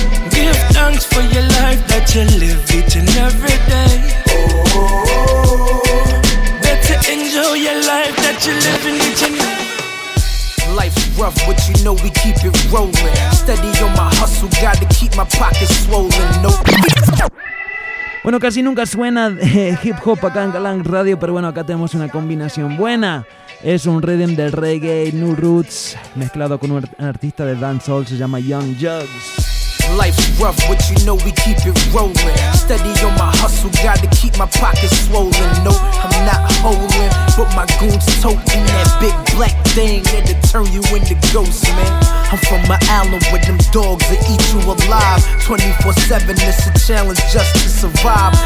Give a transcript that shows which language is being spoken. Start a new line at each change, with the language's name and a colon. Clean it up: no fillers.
English: Give thanks for your life that you live each and every day. Better enjoy your life that you live in each and every day. Life's rough, but you know we keep it rolling. Steady on my hustle, gotta keep my pockets swollen. No.
Spanish: Bueno, casi nunca suena hip hop acá en Galang Radio, pero bueno, acá tenemos una combinación buena. Es un rhythm de reggae, new roots, mezclado con un artista de dancehall, se llama Young Jugs.
English: Life's rough, but you know we keep it rolling. Steady on my hustle, gotta keep my pockets swollen. No, I'm not holding, but my goons toting that big black thing and to turn you into ghosts, man. I'm from an island where them dogs that eat you alive. 24/7, it's a challenge just to survive.